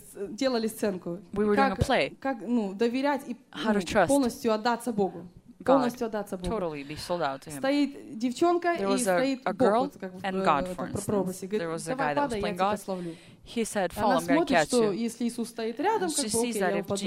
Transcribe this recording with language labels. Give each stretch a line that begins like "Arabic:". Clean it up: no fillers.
Russian: Делали сценку. Как доверять и полностью отдаться Богу.
English: Totally be sold out to him.
Russian: Стоит девчонка и стоит Бог.
English: And God, for instance, there was a guy that was playing God. He said, "Fall, I'm going to catch you."
Russian: Если Иисус стоит рядом, как Бог, я упаду.